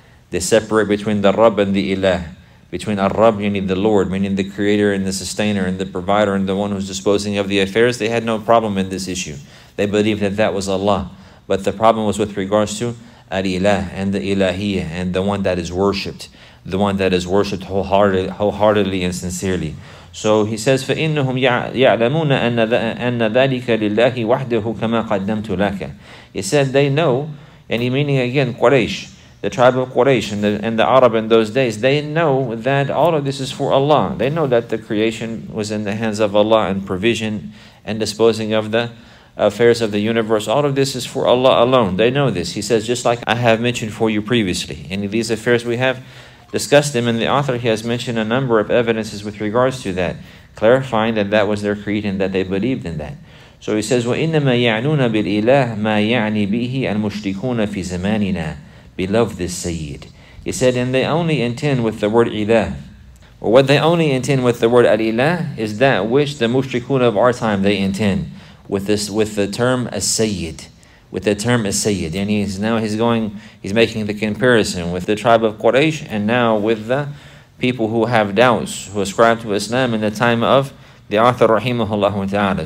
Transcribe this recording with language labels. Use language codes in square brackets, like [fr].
[en] They separate between the Rabb and the ilah. Between Ar-Rabb, meaning the Lord, meaning the creator and the sustainer and the provider and the one who's disposing of the affairs. They had no problem in this issue. They believed that that was Allah. But the problem was with regards to Al-Ilah and the Ilahiyah, and the one that is worshipped, the one that is worshipped wholeheartedly and sincerely. So he says, [ar] فَإِنَّهُمْ يَعْلَمُونَ أَنَّ ذَلِكَ لِلَّهِ وَحْدَهُ كَمَا قَدَّمْتُ لَكَ. [en] He said, they know, and meaning again, Quraysh, the tribe of Quraysh and the Arab in those days, they know that all of this is for Allah. They know that the creation was in the hands of Allah, and provision and disposing of the affairs of the universe, all of this is for Allah alone. They know this. He says, just like I have mentioned for you previously. And these affairs, we have discussed them, and the author, he has mentioned a number of evidences with regards to that, clarifying that that was their creed and that they believed in that. So he says, [ar] وَإِنَّمَا يَعْنُونَ بِالْإِلَهِ مَا يَعْنِي بِهِ الْمُشْرِكُونَ فِي زَمَانِنَا. [en] Beloved this Sayyid. He said, and they only intend with the word ilah, or what they only intend with the word al-ilah, is that which the mushrikun of our time, they intend with this, with the term as-sayyid, with the term as-sayyid. And he's making the comparison with the tribe of Quraysh, and now with the people who have doubts, who ascribe to Islam in the time of the author rahimahullah ta'ala.